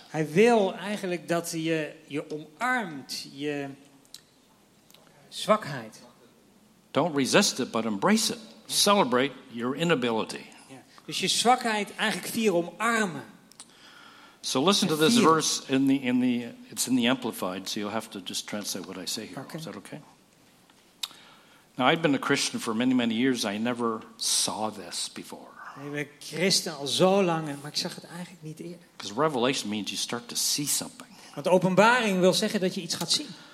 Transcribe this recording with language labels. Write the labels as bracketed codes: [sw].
[nl] Hij wil eigenlijk dat je omarmt je zwakheid. [en] Don't resist it, but embrace it. Celebrate your inability. [nl] Ja. Dus je zwakheid eigenlijk vieren, omarmen. [en] So listen to this verse in the it's in the Amplified, so you'll have to just translate what I say here. Okay. Is that okay? Now I've been a Christian for many, many years. I never saw this before. [nl] Ik ben christen al zo lang, maar ik zag het eigenlijk niet eerder. [en] Because revelation means you start to see something. [nl] Want openbaring wil zeggen dat je iets gaat zien.